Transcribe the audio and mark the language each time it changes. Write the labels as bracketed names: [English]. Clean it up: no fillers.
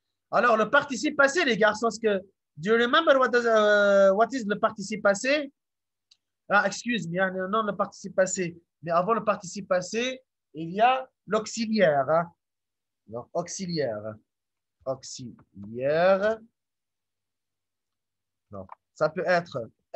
[French] Alors, le participe passé, les garçons, est-ce que... [English] Do you remember what is [French] le participe passé? Ah, excuse, mais il y a un nom, le participe passé. Mais avant le participe passé, il y a l'auxiliaire. Donc, auxiliaire. Auxiliaire. Non, ça peut être...